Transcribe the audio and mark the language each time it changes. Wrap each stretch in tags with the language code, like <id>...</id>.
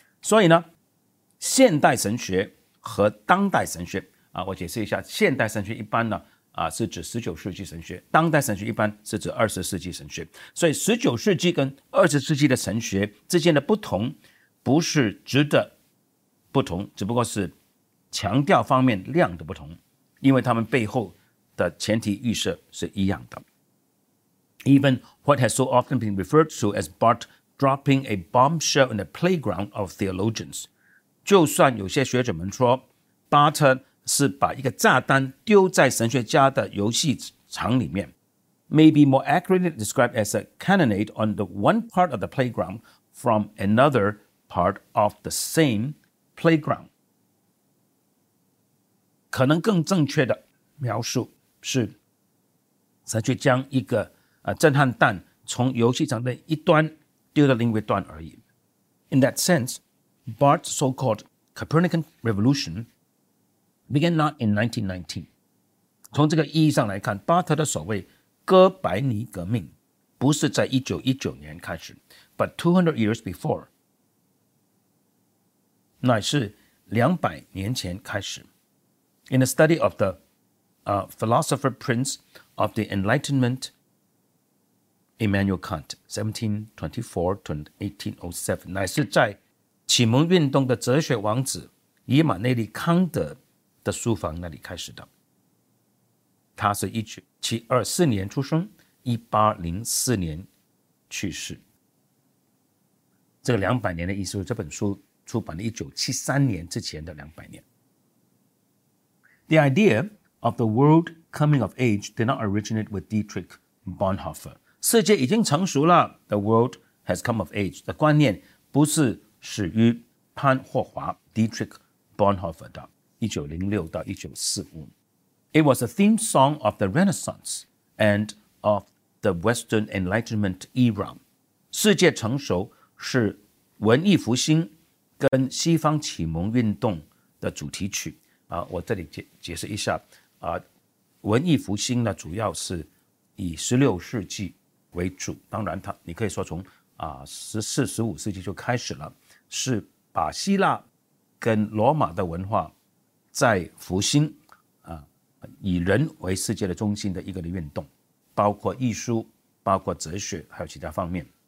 <zh>所以呢现代神学和当代神学我解释一下现代神学一般呢是指19世纪神学当代神学一般是指20世纪神学所以19世纪跟20世纪的神学之间的不同不是质的不同只不过是强调方面量的不同因为他们背后的前提预设是一样的</zh> <en>Even what has so often been referred to as Barth dropping a bombshell in the playground of theologians</en> <zh>就算有些学者们说巴特是把一个炸弹丢在神学家的游戏场里面</zh> <en>maybe more accurately described as a cannonade on the one part of the playground from another part of the same playground</en> <zh>可能更正确的描述是神学将一个震撼弹从游戏场的一端丢到另一端而已</zh> <en>in that sense Barth's so-called Copernican revolutionBegin not in 1919.</en> <zh>从这个意义上来看巴特的所谓哥白尼革命不是在1919年开始</zh> <en>but 200 years before.</en> <zh>乃是200年前开始。</zh> <en>In a study of the philosopher prince of the Enlightenment, Immanuel Kant, 1724-1807,</en> <zh>乃是在启蒙运动的哲学王子以马内利康德的书房那里开始的他是1724年出生1804年去世这个200年的意思是这本书出版了1973年之前的200年</zh> <en>The idea of the world coming of age did not originate with Dietrich Bonhoeffer.</en> <zh>世界已经成熟了</zh> <en>The world has come of age</en> <zh>的观念不是始于潘霍华 Dietrich Bonhoeffer 的1906-1945</zh> <en>It was a theme song of the Renaissance and of the Western Enlightenment era.</en> <zh>世界成熟是文艺复兴跟西方启蒙运动的主题曲。我这里 解释一下、文艺复兴呢主要是以16世纪为主，当然它你可以说从、14、15世纪就开始了，是把希腊跟罗马的文化在复兴、以人为世界的中心的一个的运动，包括艺术，包括哲学，还有其他方面。</zh>